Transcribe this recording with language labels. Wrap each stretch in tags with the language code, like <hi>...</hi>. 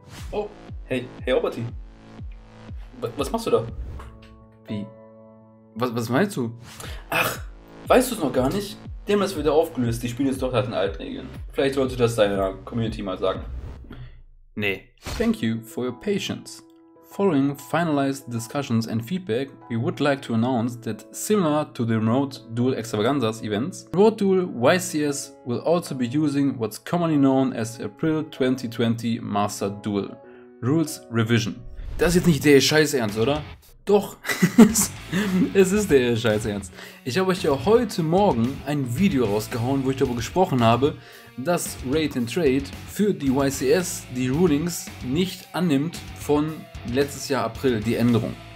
<de>Oh, hey, hey, Oberti. Was machst du da? Wie? Was meinst du? Ach, weißt du es noch gar nicht? Die haben das wieder aufgelöst. Die spielen jetzt doch nach den alten Regeln. Vielleicht solltest du das deiner Community mal sagen. Nee.</de> <en>Thank you for your patience. Following finalized discussions and feedback, we would like to announce that similar to the remote Duel Extravaganzas events, Road Duel YCS will also be using what's commonly known as April 2020 Master Duel. Rules Revision.</en> <de>Das ist jetzt nicht der Scheißernst, oder? Doch, es ist der Scheißernst. Ich habe euch ja heute Morgen ein Video rausgehauen, wo ich darüber gesprochen habe, dass Raid and Trade für die YCS die Rulings nicht annimmt von letztes Jahr April, die Änderung.</de>